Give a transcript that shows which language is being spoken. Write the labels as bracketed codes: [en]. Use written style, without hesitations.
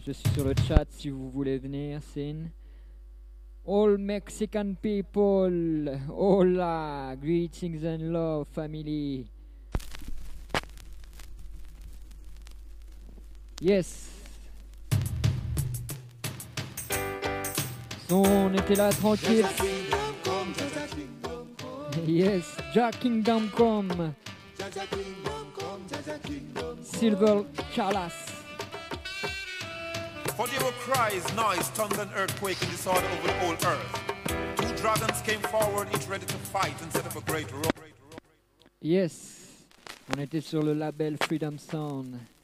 [fr] Je suis sur le chat si vous voulez venir, sin. [en] All Mexican people, hola, greetings and love, family. Yes. [fr] So on était là tranquille. [en] Just a kingdom come, just a kingdom come. Yes, Jah kingdom come. Just a kingdom come, just a kingdom come. Silver chalice. For there were cries, noise, tongues and earthquake in disorder over the whole earth. Two dragons came forward, each ready to fight and set up a great roar. [fr] Yes, on était sur le label Freedom Sound.